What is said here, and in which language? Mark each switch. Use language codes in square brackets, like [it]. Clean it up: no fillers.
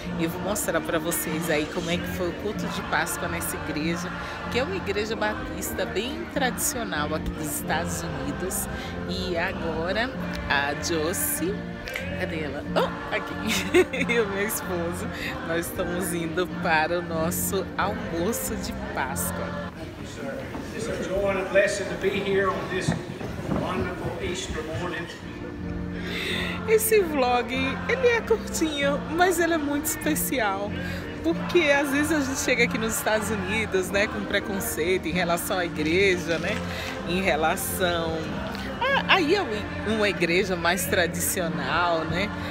[pt] E eu vou mostrar para vocês aí como é que foi o culto de Páscoa nessa igreja, que é uma igreja batista bem tradicional aqui dos Estados Unidos. E agora a Josie... Cadê ela? Oh, aqui. Eu e meu esposo, nós estamos indo para o nosso almoço de Páscoa. [en] It's a joy and a blessing to be here on this wonderful Easter morning. [pt] Esse vlog, ele é curtinho, mas ele é muito especial. Porque às vezes a gente chega aqui nos Estados Unidos, né, com preconceito em relação à igreja, né, em relação... Aí é uma igreja mais tradicional, né?